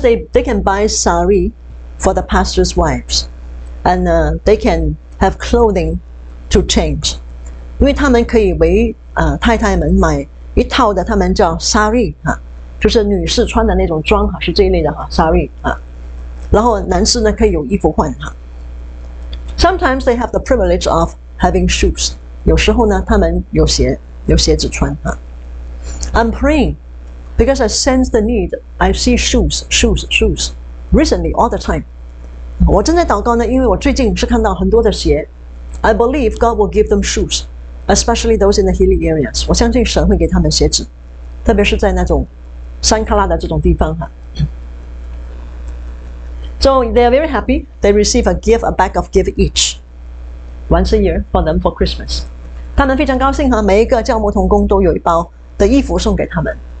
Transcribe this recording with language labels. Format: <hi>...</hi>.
<en>they can buy sari for the pastor's wives, and they can have clothing to change.</en> <zh>因为他们可以为太太们买一套的，他们叫 sari，就是女士穿的那种装，是这一类的 sari，然后男士呢可以有衣服换。</zh> <en>Sometimes they have the privilege of having shoes.</en> <zh>有时候呢，他们有鞋子穿。</zh> <en>I'm praying because I sense the need. I see shoes recently all the time.</en> <zh>我正在祷告呢，因为我最近是看到很多的鞋。</zh> <en>I believe God will give them shoes, especially those in the hilly areas.</en> <zh>我相信神会给他们鞋子，特别是在那种山旮旯的这种地方。</zh> <en>So they are very happy. They receive a gift, a bag of gift each, once a year for them for Christmas.</en> <zh>他们非常高兴哈，每一个教牧同工都有一包的衣服送给他们。</zh>